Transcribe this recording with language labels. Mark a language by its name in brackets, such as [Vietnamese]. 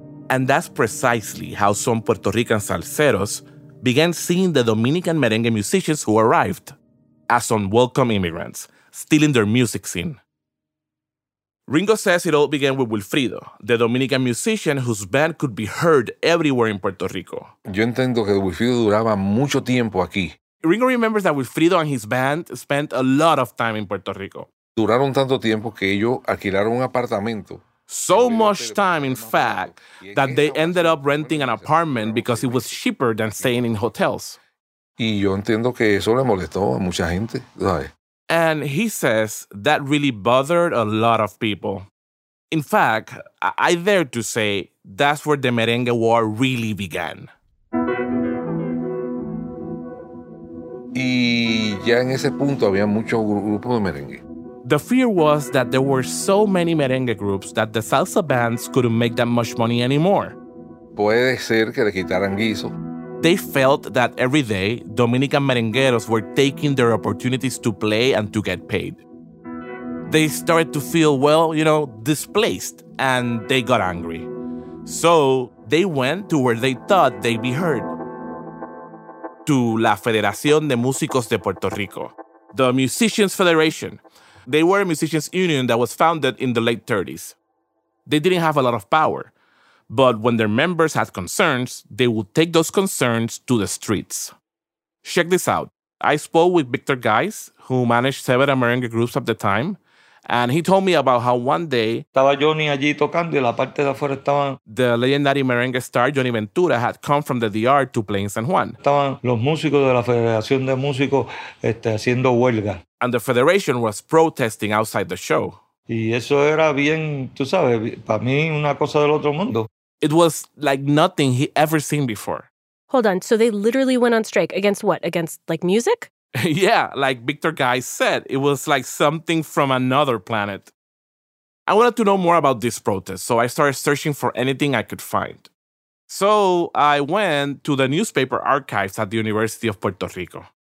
[English] And that's precisely how some Puerto Rican salseros began seeing the Dominican merengue musicians who arrived as unwelcome immigrants, stealing their music scene. Ringo says it all began with Wilfrido, the Dominican musician whose band could be heard everywhere in Puerto Rico. [Spanish] Yo entiendo que Wilfrido duraba mucho tiempo aquí. [English] Ringo remembers that Wilfrido and his band spent a lot of time in Puerto Rico. [Spanish] Duraron tanto tiempo que ellos alquilaron un apartamento. [English] So much time, in fact, that they ended up renting an apartment because it was cheaper than staying in hotels. [Spanish] Y yo entiendo que eso le molestó a mucha gente, ¿sabes? [English] And he says that really bothered a lot of people. In fact, I dare to say that's where the merengue war really began. [Spanish] Y ya en ese punto había muchos grupos de merengue. [English] The fear was that there were so many merengue groups that the salsa bands couldn't make that much money anymore. [Spanish] Puede ser que le quitaran guiso. [English] They felt that every day, Dominican merengueros were taking their opportunities to play and to get paid. They started to feel, well, you know, displaced, and they got angry. So they went to where they thought they'd be heard. To La Federación de Músicos de Puerto Rico, the Musicians Federation. They were a musicians' union that was founded in the late 30s. They didn't have a lot of power. But when their members had concerns, they would take those concerns to the streets. Check this out. I spoke with Victor Geis, who managed several merengue groups at the time, and he told me about how one day the legendary merengue star Johnny Ventura had come from the DR to play in San Juan. [Spanish] Estaban los músicos de la Federación de Músicos haciendo huelga. [English] And the Federation was protesting outside the show. [Spanish] Y eso era bien, tú sabes, para mí una cosa del otro mundo. [English] It was like nothing he ever seen before. Hold on, so they literally went on strike against what? Against, like, music? Yeah, like Victor Guy said, it was like something from another planet. I wanted to know more about this protest, so I started searching for anything I could find. So I went to the newspaper archives at the University of Puerto Rico.